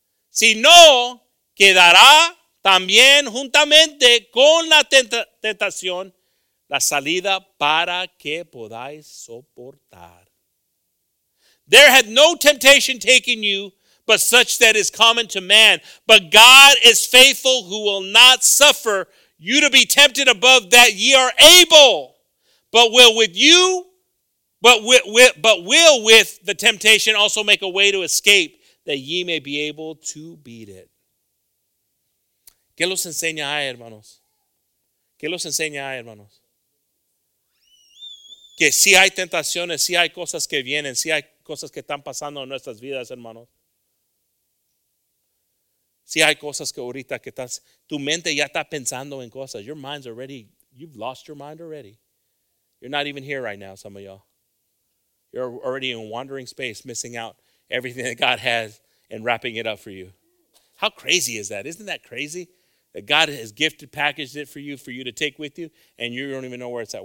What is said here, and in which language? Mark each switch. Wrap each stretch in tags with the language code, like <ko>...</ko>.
<es>sino quedará también juntamente con la tentación, la salida para que podáis soportar.</es> <en>There had no temptation taken you, but such that is common to man. But God is faithful, who will not suffer you to be tempted above that ye are able, but will with the temptation also make a way to escape, that ye may be able to beat it.</en> <es>¿Qué los enseña ahí, hermanos? ¿Qué los enseña ahí, hermanos? Que sí hay tentaciones, sí hay cosas que vienen, sí hay cosas que están pasando en nuestras vidas, hermanos. Sí hay cosas que ahorita que estás, tu mente ya está pensando en cosas.</es> <en>Your mind's already, you've lost your mind already. You're not even here right now, some of y'all. You're already in wandering space, missing out everything that God has and wrapping it up for you. How crazy is that? Isn't that crazy? That God has gifted, packaged it for you to take with you, and you don't even know where it's at.</en>